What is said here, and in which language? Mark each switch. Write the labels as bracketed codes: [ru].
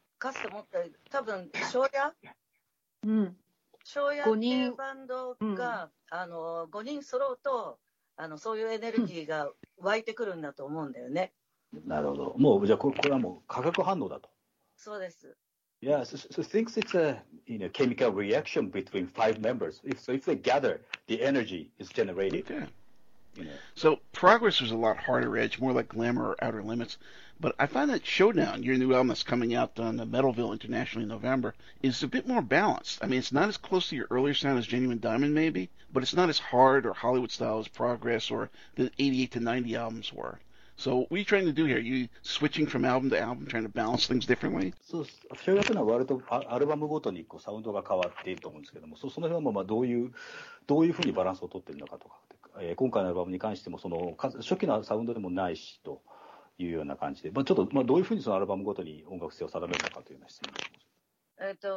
[ja] かつて持った、多分、ショーヤ？うん。庄屋っていうバンドが5人揃うと、そういうエネルギーが湧いてくるんだと思うんだよね。なるほど。もうじゃあこれはもう化学反応だと。そうです。 [en] Yeah, so thinks it's a chemical reaction between five members. If they gather, the energy is generated. Okay. So Progress was a lot harder edge, more like Glamour or Outer Limits. But I find that Showdown, your new album that's coming out on the Metalville internationally in November, is a bit more balanced. I mean, it's not as close to your earlier sound as Genuine Diamond, maybe, but it's not as hard or Hollywood style as Progress or the 88 to 90 albums were. So what are you trying to do here? Are you switching from album to album, trying to balance things differently? [ja] So Showdown は割とアルバムごとにこうサウンドが変わっていると思うんですけども、その辺はまあどういうふうにバランスを取っているのかとか、今回のアルバムに関してもその初期のサウンドでもないしと。いうような感じで、まあ、ちょっと、まあ、どういうふうにそのアルバムごとに音楽性を定めるのかというような質問です